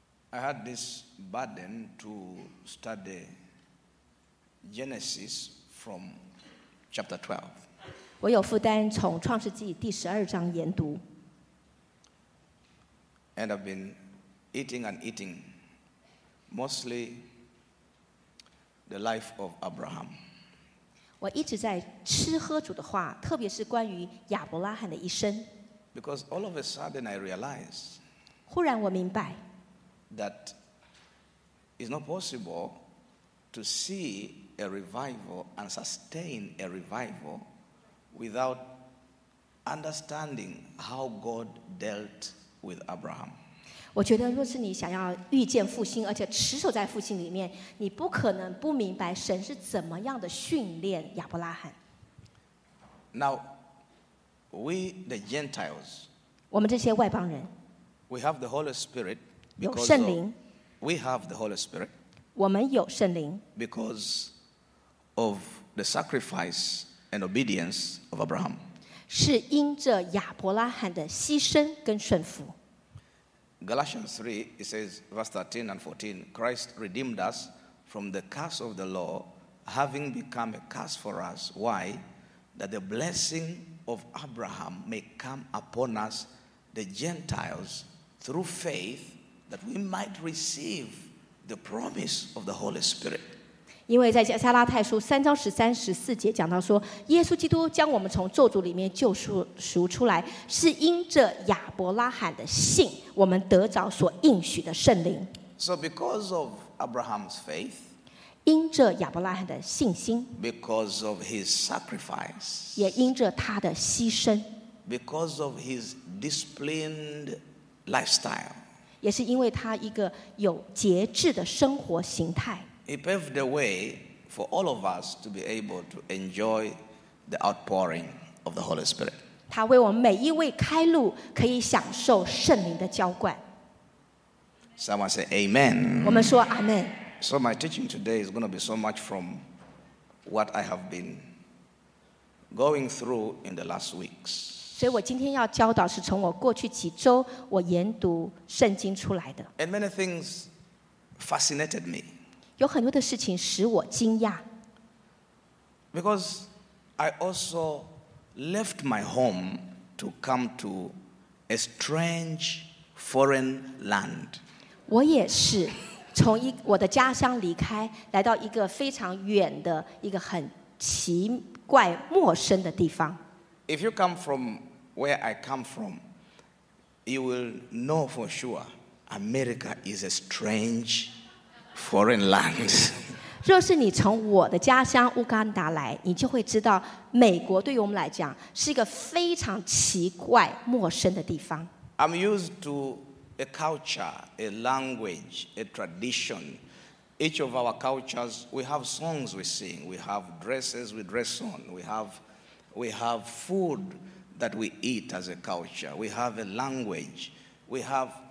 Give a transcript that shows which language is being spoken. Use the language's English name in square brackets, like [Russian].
[English] I had this burden to study Genesis from chapter 12. [Chinese] 我有负担从创世纪第十二章研读。 [English] And I've been eating and eating, mostly the life of Abraham. [Chinese] 我一直在吃喝主的话，特别是关于亚伯拉罕的一生。 [English] Because all of a sudden I realize, [Chinese] 忽然我明白 [English] that it's not possible to see a revival and sustain a revival without understanding how God dealt with Abraham. [Chinese] 我觉得若是你想要遇见复兴而且持守在复兴里面你不可能不明白神是怎么样的训练亚伯拉罕 [English] Now we the Gentiles [Chinese] 我们这些外邦人 [English] We have the Holy Spirit because [Chinese] 有圣灵 [English] We have the Holy Spirit [Chinese] 我们有圣灵 [English] Because of the sacrifice and obedience of Abraham [Chinese] 是因着亚伯拉罕的牺牲跟顺服 [English] Galatians 3, it says, verse 13 and 14, Christ redeemed us from the curse of the law, having become a curse for us. Why? That the blessing of Abraham may come upon us, the Gentiles, through faith, that we might receive the promise of the Holy Spirit. [Chinese] 因为在加拉太书三章十三、十四节讲到说，耶稣基督将我们从咒诅里面救赎出来，是因着亚伯拉罕的信。我们得着所应许的圣灵。 [English] So because of Abraham's faith, [Chinese] 因着亚伯拉罕的信心 [English] ，because of his sacrifice, [Chinese] 也因着他的牺牲 [English] ，because of his disciplined lifestyle, [Chinese] 也是因为他一个有节制的生活形态。 [English] He paved the way for all of us to be able to enjoy the outpouring of the Holy Spirit. [Chinese] 他为我们每一位开路，可以享受圣灵的浇灌。 [English] Someone say Amen. [Chinese] 我们说 Amen. [English] So my teaching today is going to be so much from what I have been going through in the last weeks. [Chinese] 所以我今天要教导是从我过去几周我研读圣经出来的。 [English] And many things fascinated me. [Chinese] 有很多的事情使我惊讶 [English] Because I also left my home to come to a strange foreign land. [Chinese] 我也是从我的家乡离开来到一个非常远的一个很奇怪陌生的地方 [English] If you come from where I come from, you will know for sure America is a strange landForeign lands. [Chinese] 若是你从我的家乡乌干达来，你就会知道美国对于我们来讲是一个非常奇怪、陌生的地方。 [English] I'm used to a culture, a language, a tradition. Each of our cultures, we have songs we sing, we have dresses we dress on, we have food that we eat as a culture, we have a language, we have.